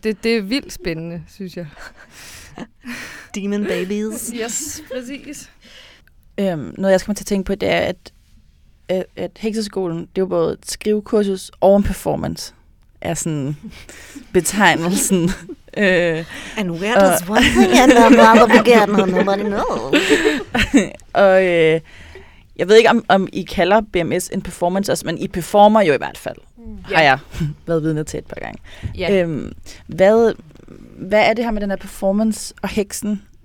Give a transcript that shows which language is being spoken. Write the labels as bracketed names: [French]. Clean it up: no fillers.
[Danish] Og det er vildt spændende, synes jeg. [English] Demon babies. Yes, [Danish] præcis. Noget, jeg skal til at tænke på, det er, at hekseskolen, det er jo både et skrivekursus og en performance, er sådan betegnelsen. [English] And where does one thing and another begin, and nobody knows? [Danish] Og jeg ved ikke, om I kalder BMS en performance også, men I performer jo i hvert fald, har jeg været vidne til et par gange. Yeah. Hvad er det her med den her performance og heksen?